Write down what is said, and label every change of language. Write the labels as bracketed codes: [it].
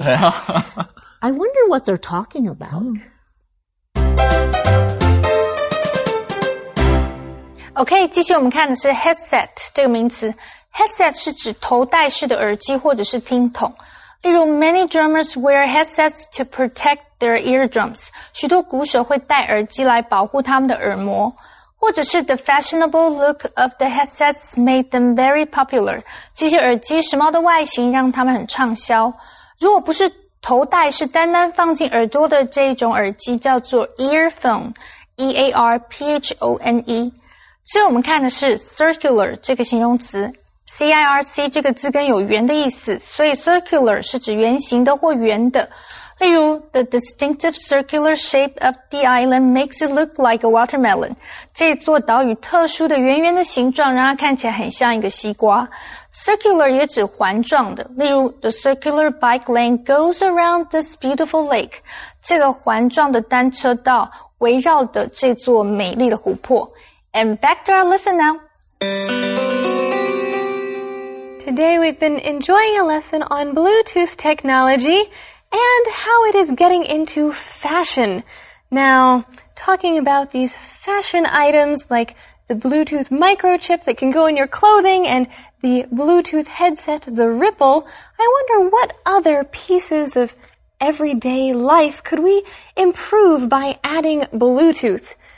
[en] I wonder what they're talking about. [zh] OK, 继续我们看的是 headset 这个名词。headset 是指头戴式的耳机或者是听筒。例如 [en] ,many drummers wear headsets to protect their eardrums. [zh] 许多鼓手会戴耳机来保护他们的耳膜。或者是 [en] the fashionable look of the headsets made them very popular. [zh] 这些耳机时髦的外形让他们很畅销。如果不是头戴是单单放进耳朵的这一种耳机叫做 earphone,E-A-R-P-H-O-N-E。所以我们看的是 circular 这个形容词 ,C-I-R-C 这个字根有圆的意思，所以 circular 是指圆形的或圆的。 [en] 例如 ,the distinctive circular shape of the island makes it look like a watermelon. [zh] 这座岛屿特殊的圆圆的形状让它看起来很像一个西瓜。 circular 也指环状的，例如 [en] ,the circular bike lane goes around this beautiful lake. [zh] 这个环状的单车道围绕的这座美丽的湖泊。 [en] And back to our lesson now. Today we've been enjoying a lesson on Bluetooth technology and how it is getting into fashion. Now, talking about these fashion items like the Bluetooth microchip that can go in your clothing and the Bluetooth headset, the Ripple, I wonder what other pieces of everyday life could we improve by adding Bluetooth?